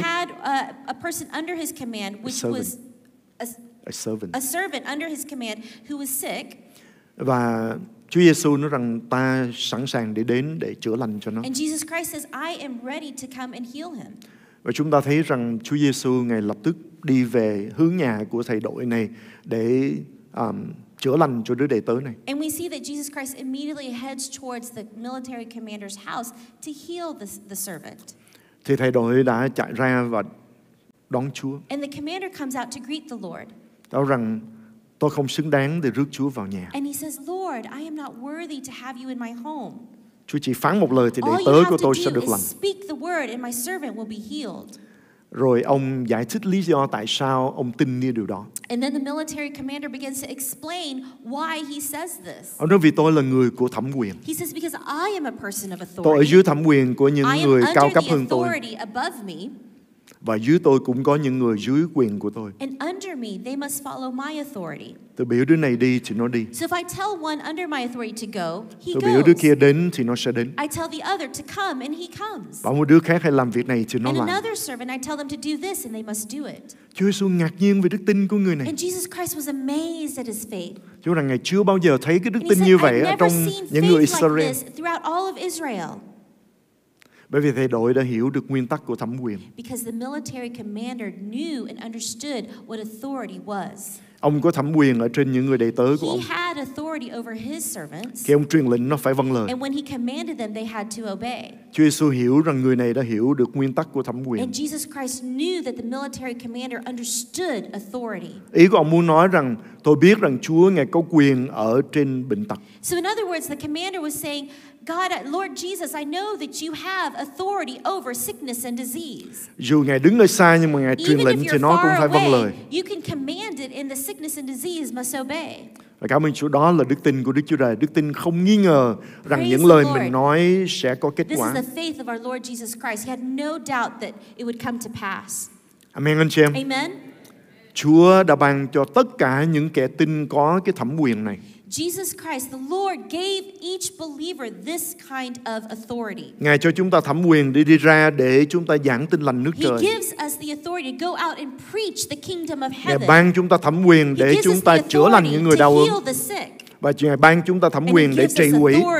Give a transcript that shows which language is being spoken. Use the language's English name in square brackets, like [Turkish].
[English] He had a person under his command which was a servant. A servant under his command who was sick. [Vietnamese] Và Chúa Giêsu nói rằng ta sẵn sàng để đến để chữa lành cho nó. [English] And Jesus Christ says I am ready to come and heal him. [Vietnamese] Và chúng ta thấy rằng Chúa Giêsu ngay lập tức đi về hướng nhà của thầy đội này để chữa lành cho đứa đầy tớ này. [English] And we see that Jesus Christ immediately heads towards the military commander's house to heal the servant. [Vietnamese] Thì thầy đội đã chạy ra và đón Chúa. [English] And the commander comes out to greet the Lord. [Vietnamese] Nói rằng tôi không xứng đáng để rước Chúa vào nhà. [English] And he says, Lord, I am not worthy to have you in my home. [Vietnamese] Chúa chỉ phán một lời thì đầy tớ của tôi sẽ được lành. [English] All you have to do is speak the word and my servant will be healed. [Vietnamese] Rồi ông giải thích lý do tại sao ông tin như điều đó. [English] And then the military commander begins to explain why he says this. [Vietnamese] Ông nói vì tôi là người của thẩm quyền. [English] He says because I am a person of authority. [Vietnamese] Tôi ở dưới thẩm quyền của những người cao cấp hơn tôi. [English] I am under the authority above me. [Vietnamese] Và dưới tôi cũng có những người dưới quyền của tôi. [English] And under me, they must follow my authority. [Vietnamese] Tôi biểu đứa này đi thì nó đi. [English] So if I tell one under my authority to go, he goes. [Vietnamese] Tôi biểu đứa kia đến thì nó sẽ đến. [English] I tell the other to come and he comes. [Vietnamese] Bảo một đứa khác hay làm việc này thì nó [English] and [Vietnamese] làm. [English] And another servant, I tell them to do this and they must do it. [Vietnamese] Chúa Giêsu ngạc nhiên về đức tin của người này. [English] And Jesus Christ was amazed at his faith. [Vietnamese] Chúa rằng Ngài chưa bao giờ thấy cái đức tin [English] said, [Vietnamese] như vậy ở trong những người [English] Israel. Like throughout all of Israel. [Vietnamese] Bởi vì thầy đội đã hiểu được nguyên tắc của thẩm quyền. [English] Because the military commander knew and understood what authority was. [Vietnamese] Ông có thẩm quyền ở trên những người đệ tớ của ông. [English] He had authority over his servants. [Vietnamese] Khi ông truyền lệnh nó phải vâng lời. [English] And when he commanded them, they had to obey. [Vietnamese] Chúa Giêsu hiểu rằng người này đã hiểu được nguyên tắc của thẩm quyền. [English] And Jesus Christ knew that the military commander understood authority. [Vietnamese] Ý của ông muốn nói rằng tôi biết rằng Chúa Ngài có quyền ở trên bệnh tật. [English] So in other words, the commander was saying, God, Lord Jesus, I know that you have authority over sickness and disease. [Vietnamese] Dù Ngài đứng ở xa nhưng mà Ngài truyền lệnh thì nó cũng phải vâng lời. [English] You can command it and the sickness and disease must obey. [Vietnamese] Và cảm ơn Chúa, đó là đức tin của Đức Chúa Trời. Đức tin không nghi ngờ rằng những lời mình nói sẽ có kết quả. [English] This is the faith of our Lord Jesus Christ. He had no doubt that it would come to pass. [Vietnamese] Amen, anh chị em. [English] Amen. [Vietnamese] Chúa đã ban cho tất cả những kẻ tin có cái thẩm quyền này. [English] Jesus Christ, the Lord, gave each believer this kind of authority. [Vietnamese] Ngài cho chúng ta thẩm quyền để đi ra để chúng ta giảng tin lành nước trời. [English] He gives us the authority to go out and preach the kingdom of heaven. [Vietnamese] Ngài ban chúng ta thẩm quyền để chúng ta chữa lành những người đau ốm. Và Ngài ban chúng ta thẩm quyền để trị quỷ.